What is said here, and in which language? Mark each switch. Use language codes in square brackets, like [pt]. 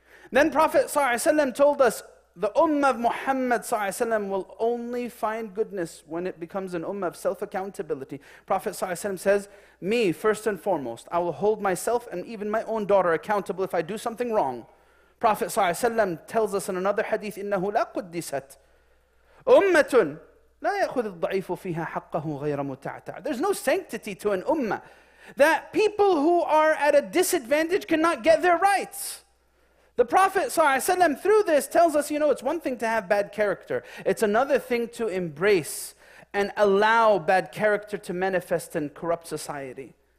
[en] Then Prophet ﷺ told us, the ummah of Muhammad ﷺ will only find goodness when it becomes an ummah of self-accountability. Prophet ﷺ says, me, first and foremost, I will hold myself and even my own daughter accountable if I do something wrong. Prophet ﷺ tells us in another hadith, [ar] إِنَّهُ لَا قُدِّسَتْ أُمَّةٌ لَا يَأْخُذِ الضَّعِيفُ فِيهَا حَقَّهُ غَيْرَ مُتَعْتَعَ. [en] There's no sanctity to an ummah that people who are at a disadvantage cannot get their rights. The Prophet ﷺ through this tells us, you know, it's one thing to have bad character. It's another thing to embrace and allow bad character to manifest and corrupt society.